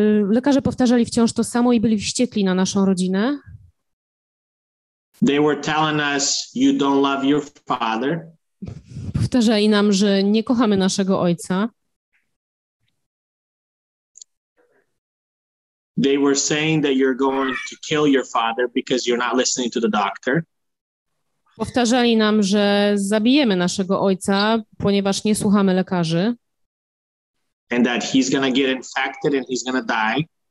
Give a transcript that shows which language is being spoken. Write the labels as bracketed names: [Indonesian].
[Polish] Lekarze powtarzali wciąż to samo i byli wściekli na naszą rodzinę. [English] They were telling us you don't love your father. [Polish] Powtarzali nam, że nie kochamy naszego ojca. [English] They were saying that you're going to kill your father because you're not listening to the doctor. [Polish] Powtarzali nam, że zabijemy naszego ojca, ponieważ nie słuchamy lekarzy. [English] And that he's going to get infected and he's going to die.